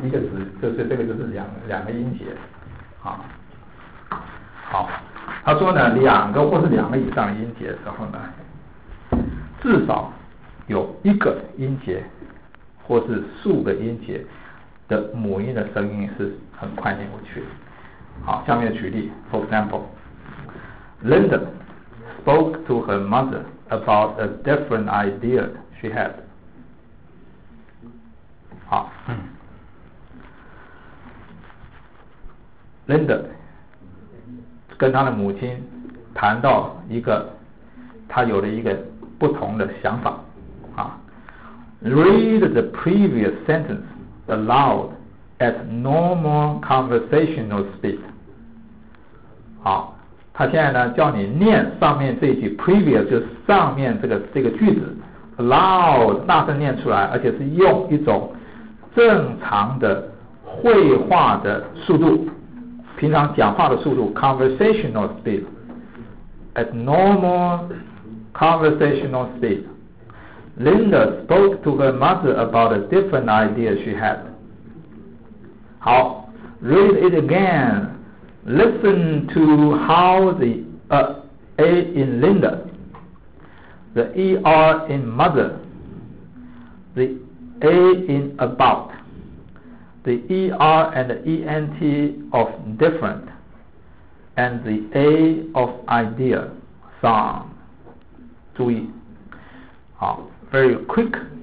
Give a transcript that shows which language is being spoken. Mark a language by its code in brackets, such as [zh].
[zh] 一个字就是这个，就是两个音节啊。好，他说呢，两个或是两个以上音节的时候呢，至少有一个音节或是数个音节的母音的声音是很快念过去的。好，下面举例 [en] ，For example， Linda spoke to her mother。 About a different idea she had. [zh] 好，Linda 跟她的母亲谈到一个，她有了一个不同的想法。 [en] 啊 ，Read the previous sentence aloud at normal conversational speed. [zh] 好。他现在呢叫你念上面这句 previous， 就是上面这个句子 loud 大声念出来，而且是用一种正常的会话的速度，平常讲话的速度 conversational speed， [en] at normal conversational speed。 Linda spoke to her mother about a different idea she had。好， read it againListen to how the A in Linda, the ER in mother, the A in about, the ER and the ENT of different, and the A of idea sound. [zh] 注意，好 [en] ，very quick